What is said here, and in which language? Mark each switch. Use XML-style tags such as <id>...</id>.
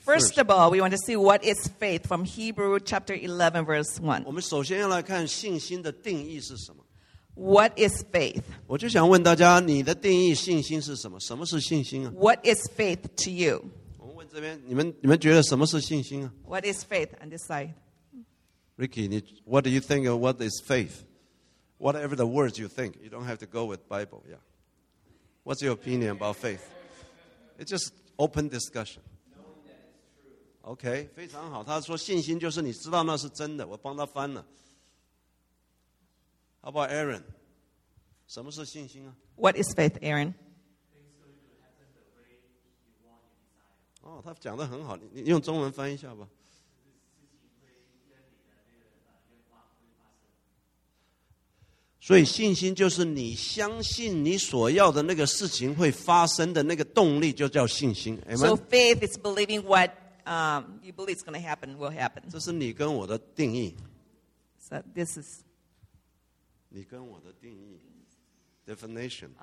<en>first of all, we want to see what is faith from Hebrews chapter 11, verse 1.</en> <zh>我们首先要来看信心的定义是什么。</zh> <en>What is faith?</en> <zh>我就想问大家，你的定义信心是什么？什么是信心啊？</zh> <en>What is faith to you?</en> <zh>我们问这边，你们觉得什么是信心啊？</zh> <en>What is faith on this side? Ricky, what do you think of what is faith? Whatever the words you think, you don't have to go with Bible. Yeah. What's your opinion about faith? It's just open discussion.</en> <zh>Okay, 非常好。他说信心就是你知道那是真的。我帮他翻了。</zh> <en>How about Aaron?</en> <zh>什么是信心啊？</zh> <en>What is faith, Aaron?</en> <zh>Oh, 他讲得很好，你用中文翻一下吧。所以信心就是你相信你所要的那个事情会发生的那个动力，就叫信心。Amen?</zh> <en>So faith is believing what you believe is going to happen will happen.</en> <zh>这是你跟我的定义。</zh> <en>So this is</en> <zh>你跟我的定义 definition.</zh>